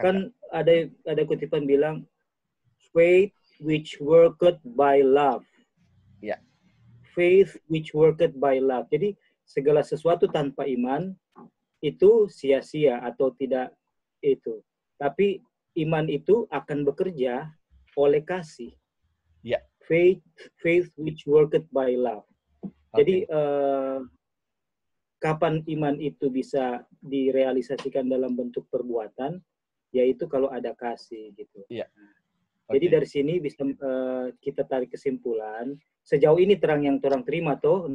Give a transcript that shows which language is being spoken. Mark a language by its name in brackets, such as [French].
[Indonesian] Kan ada kutipan bilang [English] faith which worketh by love. [Indonesian] Ya. [English] Faith which worketh by love. [Indonesian] Jadi segala sesuatu tanpa iman itu sia-sia atau tidak itu. Tapi iman itu akan bekerja oleh kasih. Ya. [English] Faith which worketh by love. Okay. [Indonesian] Jadi kapan iman itu bisa direalisasikan dalam bentuk perbuatan? Yaitu kalau ada kasih gitu. Iya. [English] Okay. [Indonesian] Jadi dari sini bisa kita tarik kesimpulan. Sejauh ini terang yang terang terima toh.